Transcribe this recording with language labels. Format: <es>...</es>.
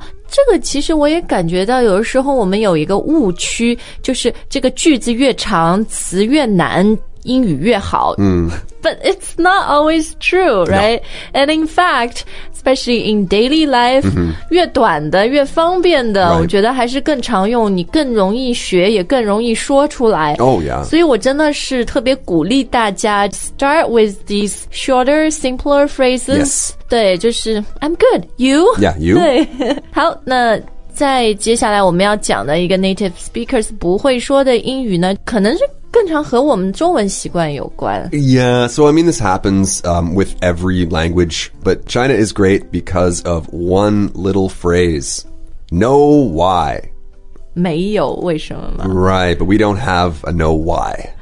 <zh>这个其实我也感觉到有的时候我们有一个误区，就是这个句子越长，词越难，英语越好。</zh> <en>But it's not always true, right? No. And in fact, especially in daily life,、</en> <zh>越短的越方便的、</zh> <en>right.</en> <zh>我觉得还是更常用，你更容易学也更容易说出来。</zh> <en>Oh, yeah.</en> <zh>所以我真的是特别鼓励大家</zh> <en>start with these shorter, simpler phrases.、 Yes.</en> <zh>对，就是</zh> <en>I'm good, you? Yeah, you.</en> <zh>对，好，那在接下来我们要讲的一个 native speakers 不会说的英语呢，可能是更常和我们中文习惯有关。</zh> <en>Yeah, so I mean this happens, with every language, but China is great because of one little phrase. No why.</en> <zh>没有为什么吗?</zh> <en>Right, but we don't have a no why.</en>